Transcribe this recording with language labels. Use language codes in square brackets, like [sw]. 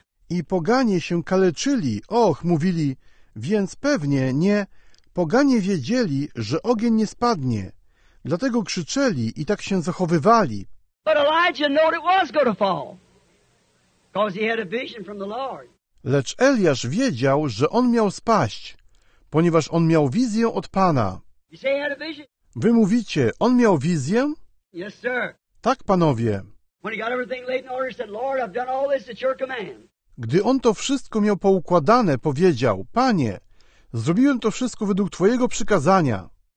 [pl] I poganie się kaleczyli, och, mówili, więc pewnie nie. Poganie wiedzieli, że ogień nie spadnie. Dlatego krzyczeli i tak się zachowywali. [en] But Elijah knew it was going to fall. Because he had a vision from the Lord. [pl] Lecz Eliasz wiedział, że on miał spaść, ponieważ on miał wizję od Pana. [en] You say he had a vision? [pl] Wy mówicie, on miał wizję? [en] Yes, sir. [pl] Tak, panowie. [en] When he got everything laid in order, he said, Lord, I've done all this at your command. [pl] Gdy on to wszystko miał poukładane, powiedział: Panie, zrobiłem to wszystko według Twojego przykazania.